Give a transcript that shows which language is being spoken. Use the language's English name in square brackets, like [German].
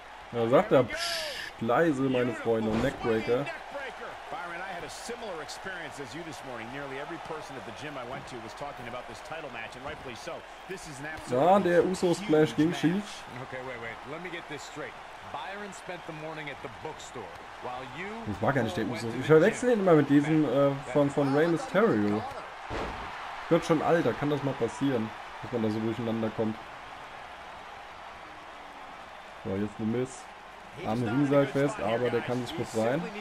[German] Da sagt er, pssst, leise, meine Freunde, und Neckbreaker. [English] Similar experience as you this morning. Nearly every person at the gym I went to was talking about this title match, and rightfully so. This is an absolute. [German] Ah, der Uso Splash ging schief. [English] Okay, wait. Let me get this straight. Byron spent the morning at the bookstore while you. [German] Ich mag gar nicht den Uso. Ich verwechsel ihn immer mit diesem von Rey Mysterio. Wird schon alt. Da kann das mal passieren, dass man da so durcheinander kommt. So, jetzt The Miz. Am Riesal fest, aber der kann sich befreien.